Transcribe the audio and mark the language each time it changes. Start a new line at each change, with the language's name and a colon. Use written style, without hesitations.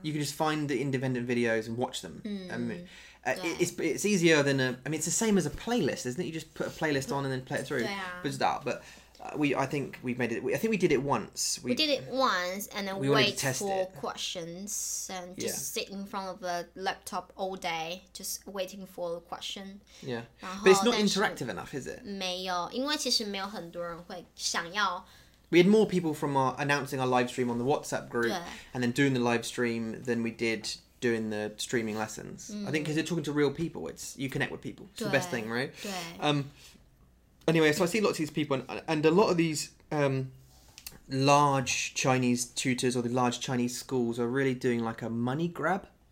English: You can just find the independent videos and watch them. It's easier than a... I mean, it's the same as a playlist, isn't it? You just put a playlist on and then play it through. But I think we did it once. We did it once and then wait for questions and just sit in front of a laptop all day, just waiting for a question. Yeah. But it's not interactive enough, is it?
Chinese: 没有，因为其实没有很多人会想要。
English: We had more people from our announcing our live stream on the WhatsApp group and then doing the live stream than we did doing the streaming lessons. I think because you're talking to real people, it's you connect with people. It's the best thing, right? Anyway, so I see lots of these people, and a lot of these large Chinese tutors or the large Chinese schools are really doing like a money grab.